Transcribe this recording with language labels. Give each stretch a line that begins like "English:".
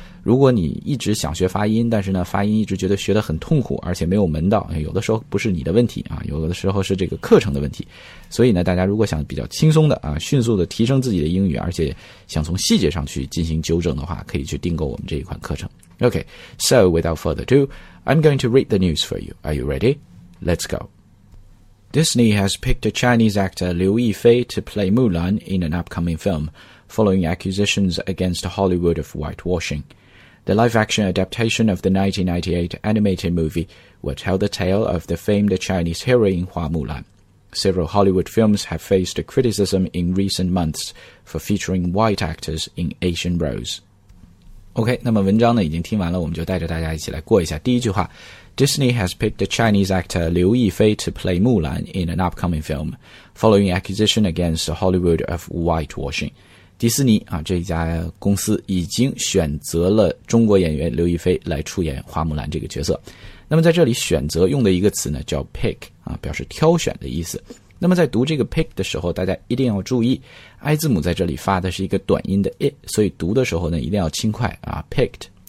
Chinese: 如果你一直想学发音，但是呢发音一直觉得学得很痛苦，而且没有门道，有的时候不是你的问题啊，有的时候是这个课程的问题。所以呢，大家如果想比较轻松的啊，迅速的提升自己的英语，而且想从细节上去进行纠正的话，可以去订购我们这一款课程。
English: OK, so without further ado, I'm going to read the news for you. Are you ready? Let's goDisney has picked a Chinese actor Liu Yifei to play Mulan in an upcoming film, following accusations against Hollywood of whitewashing. The live-action adaptation of the 1998 animated movie will tell the tale of the famed Chinese heroine Hua Mulan. Several Hollywood films have faced criticism in recent months for featuring white actors in Asian roles.
Chinese: OK, 那么文章呢已经听完了，我们就带着大家一起来过一下第一句话。
English: Disney has picked a Chinese actor Liu Yifei to play Mulan in an upcoming film, following accusation against Hollywood of whitewashing.
Chinese: 迪士尼啊，这家公司已经选择了中国演员刘亦菲来出演花木兰这个角色。那么在这里选择用的一个词呢叫 pick, 啊，表示挑选的意思。那么在读这个 pick 的时候，大家一定要注意 I 字母在这里发的是一个短音的 I, 所以读的时候呢一定要轻快啊 ,picked。